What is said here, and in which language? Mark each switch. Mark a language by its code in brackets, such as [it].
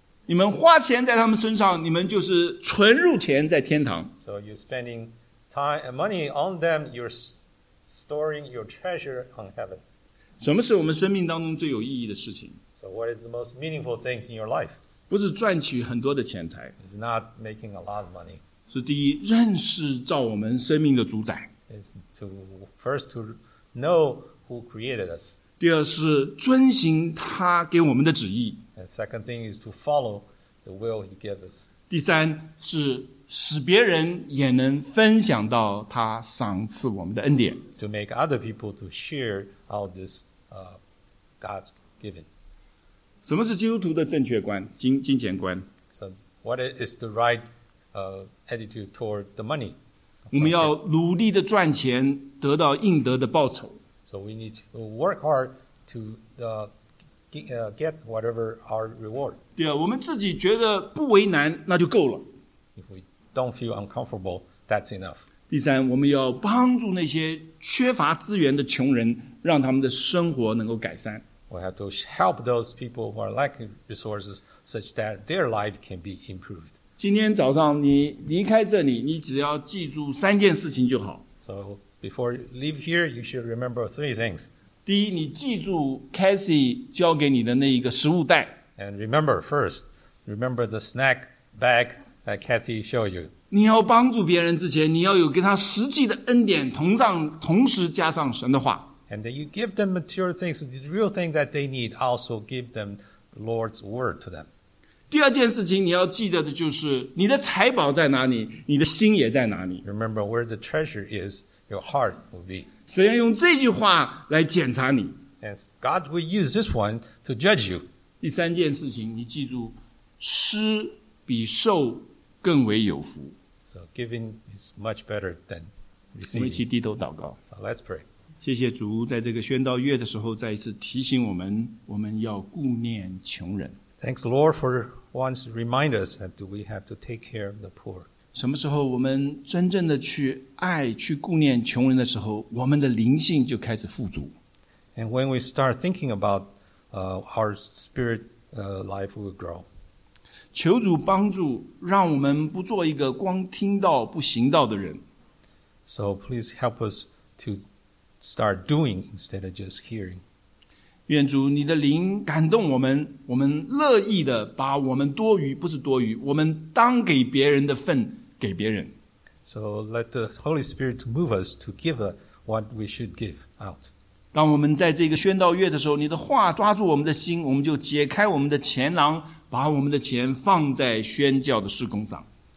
[zh] 你们花钱在他们身上，你们就是存入钱在天堂。 [en] So you're spending time and money on them, you're storing your treasure on heaven. [zh] 什么是我们生命当中最有意义的事情？ [en] So what is the most meaningful thing in your life? [zh] 不是赚取很多的钱财。 [en] It's not making a lot of money. [zh] 是第一，认识造我们生命的主宰。 [en] It's to first to know who created us. [zh] 第二是遵行他给我们的旨意。 [en] And second thing is to follow the will he gave us. [zh] 第三是使别人也能分享到他赏赐我们的恩典。 [en] To make other people to share all this God's given. [zh] 什么是基督徒的正确观？金钱观。 [en] So what is the right attitude toward the money? [zh] 我们要努力的赚钱，得到应得的报酬。 [en] So we need to work hard to get whatever our reward. [zh] 对啊，我们自己觉得不为难，那就够了。 [en] If we don't feel uncomfortable, that's enough. [zh] 第三，我们要帮助那些缺乏资源的穷人，让他们的生活能够改善。 [en] We have to help those people who are lacking resources such that their life can be improved. [zh] 今天早上你离开这里，你只要记住三件事情就好。 [en] So before you leave here, you should remember three things. [zh] 第一，你记住 Cassie 交给你的那一个食物袋。 [en] And remember, first, remember the snack bag that Cassie showed you. [zh] 你要帮助别人之前，你要有跟他实际的恩典，同时加上神的话。 [en] And then you give them material things, the real thing that they need, also give them the Lord's word to them. [zh] 第二件事情你要记得的就是你的财宝在哪里，你的心也在哪里。 [en] Remember where the treasure is, your heart will be. [zh] 神要用这句话来检查你。 [en] And God will use this one to judge you. [zh] 第三件事情你记住，施比受更为有福。 [en] So giving is much better than receiving. [zh] 我们一起低头祷告。 [en] So let's pray. [zh] 谢谢主，在这个宣道月的时候，再一次提醒我们，我们要顾念穷人。 [en] Thanks, Lord, for once remind us that we have to take care of the poor. [zh] 什么时候我们真正的去爱、去顾念穷人的时候，我们的灵性就开始富足。 [en] And when we start thinking about, our spirit, life will grow. [zh] 求主帮助，让我们不做一个光听到不行道的人。 [en] So please help us to. Start doing instead of just hearing. [zh] 愿主你的灵感动我们，我们乐意的把我们多余，不是多余，我们当给别人的份给别人。 [en] So let the Holy Spirit move us to give what we should give out. [zh] 当我们在这个宣道月的时候，你的话抓住我们的心，我们就解开我们的钱囊，把我们的钱放在宣教的事工上。